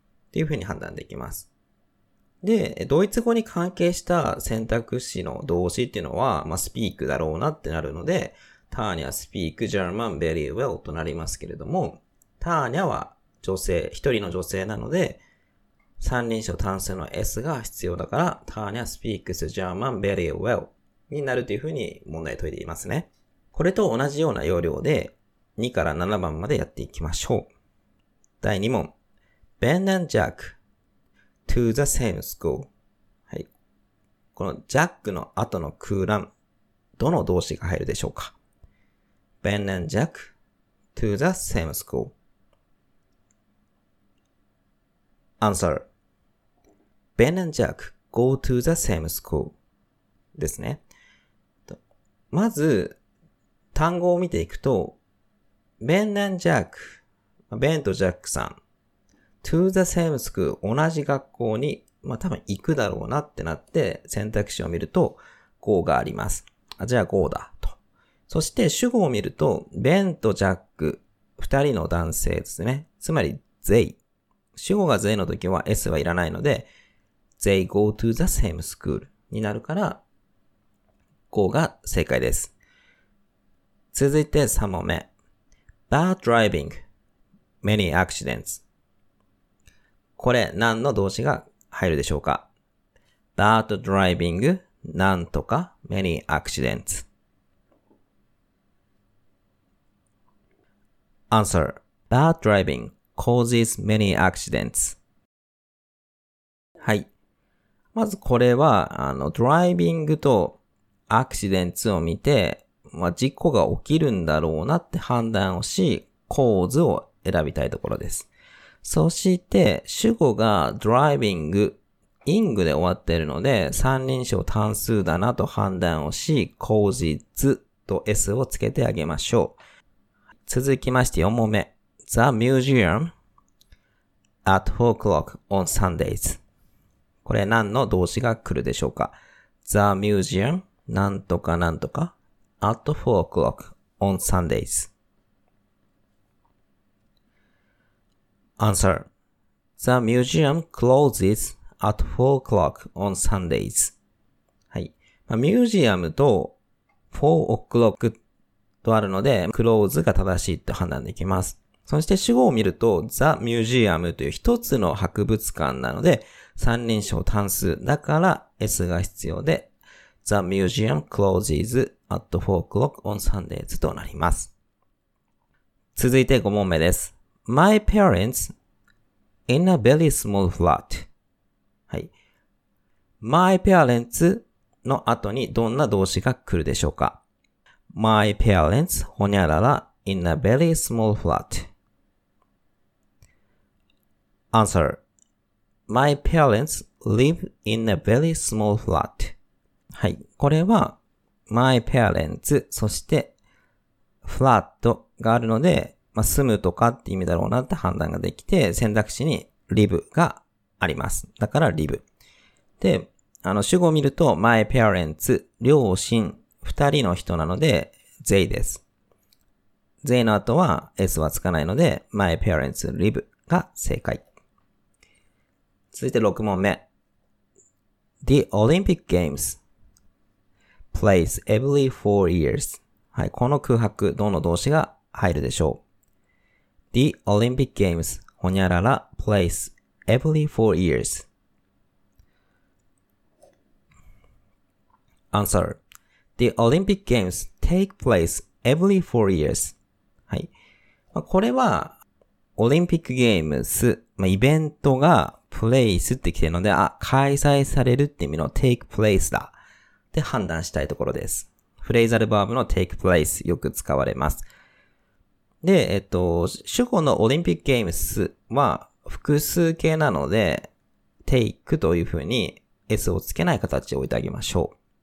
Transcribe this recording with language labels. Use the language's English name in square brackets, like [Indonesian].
[Japanese] っていうふうに判断できます。で、ドイツ語に関係した選択肢の動詞っていうのは、まあ、スピークだろうなってなるので、ターニャ、スピーク、ジャーマン、ベリーウェルとなりますけれども、ターニャは女性、一人の女性なので、三人称単数の S が必要だから、ターニャ、スピークス、ジャーマン、ベリーウェルになるというふうに問題解いていますね。これと同じような要領で2から7番までやっていきましょう。第2問。 [English] Ben and Jack to the same school. [Japanese] はい。この Jack の後の空欄、どの動詞が入るでしょうか ? [English] Ben and Jack to the same school.Answer.Ben and Jack go to the same school [Japanese] ですね。まず、単語を見ていくと、Ben and Jack、Ben と Jack さん、 [English] to the same school、 [Japanese] 同じ学校に、まあ多分行くだろうなってなって、選択肢を見ると、go があります。あ、じゃあ go だ、と。そして主語を見ると、Ben と Jack、二人の男性ですね。つまり、they。主語が they の時は S はいらないので、 [English] they go to the same school [Japanese] になるから、go が正解です。続いて3問目。 [English] Bad driving, many accidents. [Japanese] これ何の動詞が入るでしょうか ? [English] Bad driving, [Japanese] なんとか [English] many accidents. Answer. Bad driving causes many accidents. [Japanese] はい。まずこれは、ドライビングとアクシデンツを見て、まあ、事故が起きるんだろうなって判断をし、構図を選びたいところです。そして、主語がドライビング、イングで終わっているので、三人称単数だなと判断をし、causes と S をつけてあげましょう。続きまして4問目。 [English] The museum at 4 o'clock on Sundays。 [Japanese] これ何の動詞が来るでしょうか ?The museum, なんとかなんとか。 [English] At 4 o'clock on Sundays. Answer. The museum closes at 4 o'clock on Sundays. [Japanese] はい。まあ、ミュージアムと4 o'clock とあるので、close が正しいと判断できます。そして主語を見ると、The museum という一つの博物館なので、三人称単数だから S が必要で、 [English] The museum closes at 4 o'clock on Sundays [Japanese] となります。続いて5問目です。 [English] My parents in a very small flat. [Japanese] はい。 [English] My parents [Japanese] の後にどんな動詞が来るでしょうか ? [English] My parents, [Japanese] ほにゃらら [English] in a very small flat.Answer. My parents live in a very small flat. [Japanese] はい。これは、my parents, そして flat があるので、まあ、住むとかって意味だろうなって判断ができて、選択肢に live があります。だから live。で、主語を見ると my parents, 両親、二人の人なので they です。 they の後は s はつかないので [English] my parents live [Japanese] が正解。続いて6問目。The Olympic Games. [English] Place every 4 years. [Japanese] はい。この空白、どの動詞が入るでしょう。 [English] The Olympic Games [Japanese] ほにゃらら [English] place every 4 years. Answer. The Olympic Games take place every 4 years. [Japanese] はい。まあ、これは、オリンピックゲームス、まあ、イベントがプレイスって来てるので、あ、開催されるって意味の take place だって判断したいところです。フレーザルバーブの take place よく使われます。で、主語のオリンピックゲームスは複数形なので、take というふうに S をつけない形を置いてあげましょう。